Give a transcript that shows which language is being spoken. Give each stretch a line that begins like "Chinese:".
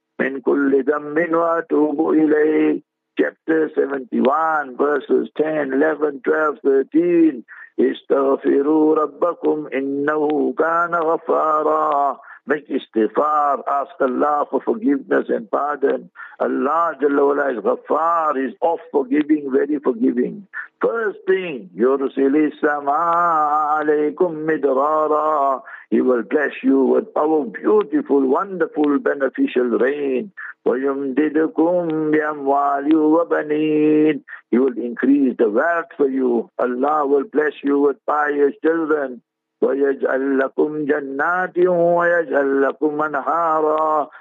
Arabic: Min kulli dhammin wa atubu ilayhi.
English: Chapter 71, verses 10, 11, 12, 13.
Arabic: Istaghfiru rabbakum innahu kana ghaffara.
English: Make istighfar, ask Allah for forgiveness and pardon. Allah Jalla Wala is ghaffar, is of forgiving, very forgiving. First thing,
Arabic: يُرْسِلِ السَّمَاءَ عَلَيْكُمْ مِدْرَارًا.
English: He will bless you with our beautiful, wonderful, beneficial rain.
Arabic: وَيُمْدِدْكُمْ بِأَمْوَالٍ وَبَنِينَ.
English: He will increase the wealth for you. Allah will bless you with pious children.
Arabic: وَيَجْعَلْ لَكُمْ جَنَّاتٍ وَيَجْعَلْ لَكُمْ أَنْهَارًا.